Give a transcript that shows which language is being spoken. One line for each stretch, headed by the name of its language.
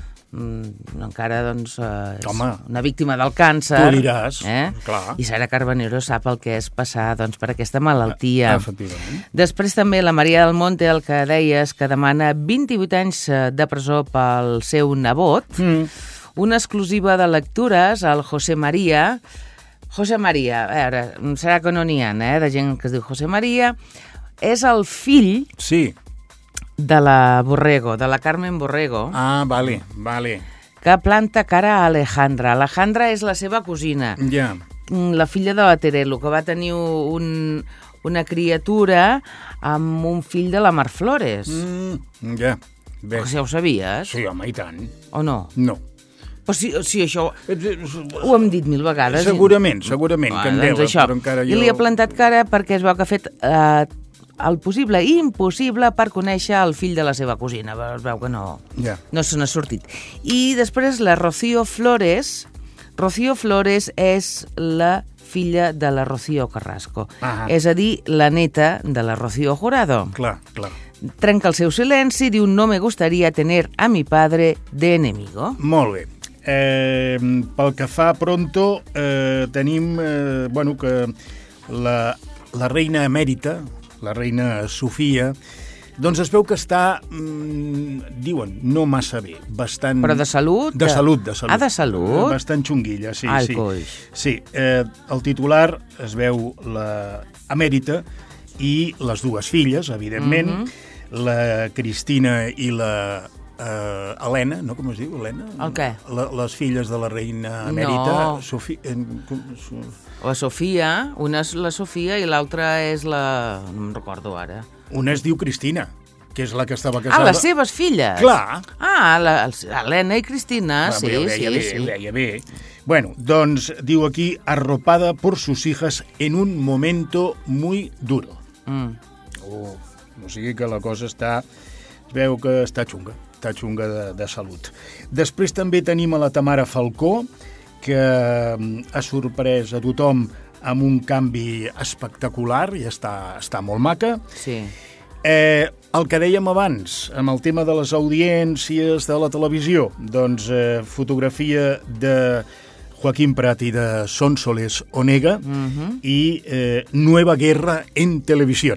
Catalan: encara, doncs, és una víctima del càncer. Tu diràs, clar. I Sara Carbonero sap el que és passar, doncs, per aquesta malaltia. Efectivament. Després també la Maria del Monte, el que deies, que demana 28 anys de presó pel seu nebot. Mm. Una exclusiva de lectures al José María. José María, a veure, serà que no n'hi ha, de gent que es diu José María. És el fill... Sí. De la Borrego, de la Carmen Borrego. Ah, vale, vale. Que planta cara a Alejandra. Alejandra és la seva cosina. Ja.
English: Yeah.
Catalan: La filla de la Terelu, que va tenir un, una criatura amb un fill de la Mar Flores. Ja.
English: Yeah.
Catalan: O sigui, ja ho sabies? Sí, home, i tant. O no? No. O si, si això ho hem dit mil vegades. Segurament, segurament. Ah, doncs això. Però encara jo... I li ha plantat cara perquè es veu que ha fet... el possible i impossible per conèixer el fill de la seva cosina. Es veu que no, no se n'ha sortit. I després la Rocío Flores. Rocío Flores és la filla de la Rocío Carrasco. Ah, és a dir, la neta de la Rocío Jurado. Clar, clar. Trenca el seu silenci, diu
Spanish: no me gustaría tener a mi padre de enemigo.
Catalan: Molt bé. Pel que fa pronto, tenim bueno, que la reina emèrita, la reina Sofia, doncs es veu que està, diuen, no massa bé, bastant... Però de salut? De salut, de salut. Ah, de salut? Bastant xunguilla, sí. Ai, sí. Coix. Sí, el titular es veu la emèrita i les dues filles, evidentment, la Cristina i la Helena, no com es diu, Helena? El què? Les filles de la reina emèrita, no. Sofia... La Sofia, una és la Sofia i l'altra és la... no me'n recordo ara. Una es diu Cristina, que és la que estava casada. Ah, les seves filles? Clar. Ah, l'Helena i Cristina, ah, sí, bé, sí, bé, sí. Ho deia bé. Bueno, doncs diu aquí,
Spanish: arropada por sus hijas en un momento muy duro. Mm.
Catalan: Oh, o sigui que la cosa està... veu que està xunga de salut. Després també tenim a la Tamara Falcó, que ha sorprès a tothom amb un canvi espectacular i està molt maca. Sí. El que dèiem abans, amb el tema de les audiències de la televisió, doncs fotografia de Joaquim Prat i de Sonsoles Onega i Nueva Guerra en Televisió.